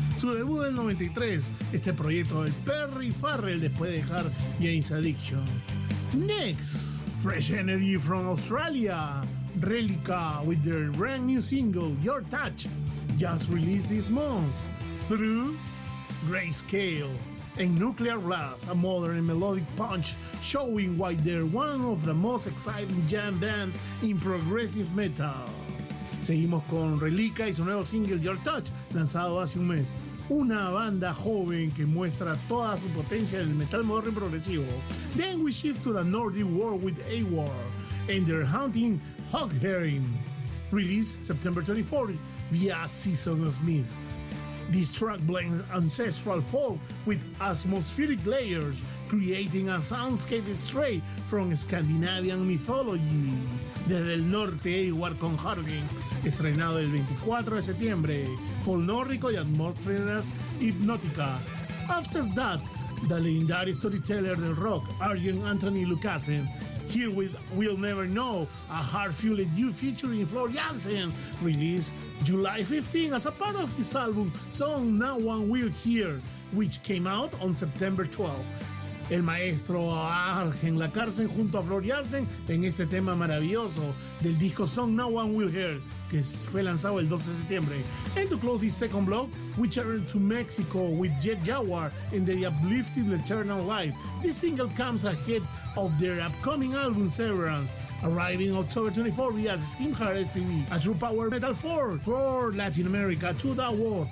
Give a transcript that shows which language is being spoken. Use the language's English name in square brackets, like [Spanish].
[Spanish] su debut en 93, este proyecto del Perry Farrell después de dejar Jane's Addiction. [English] Next, Fresh Energy from Australia, Relica with their brand new single Your Touch, just released this month, through Grayscale. A Nuclear Blast, a modern and melodic punch showing why they're one of the most exciting jam bands in progressive metal. [Spanish] Seguimos con Relica y su nuevo single Your Touch, lanzado hace un mes. Una banda joven que muestra toda su potencia en el metal moderno y progresivo. [English] Then we shift to the Nordic world with AWOR and their haunting Hog Herring. Released September 24th via Season of Mist. This track blends ancestral folk with atmospheric layers, creating a soundscape straight from Scandinavian mythology. [Spanish] Desde el norte, AWOR con Hogherring, estrenado el 24 de septiembre, folnórico y atmósferas hipnóticas. [English] After that, the legendary storyteller [Spanish] del rock, [English] Arjen Anthony Lucassen, here with We'll Never Know, a heart-fueled new featuring Flor Jansen, released July 15 as a part of his album Song No One Will Hear, which came out on September 12. [Spanish] El maestro Arjen Lucassen junto a Flor Jansen en este tema maravilloso del disco Song No One Will Hear, que fue lanzado el 12 de septiembre. [English] And to close this second block, we turn to Mexico with Jet Jaguar and the uplifting Eternal Life. This single comes ahead of their upcoming album Severance, arriving October 24 via Steamheart SPV, a true power metal four for Latin America to the world.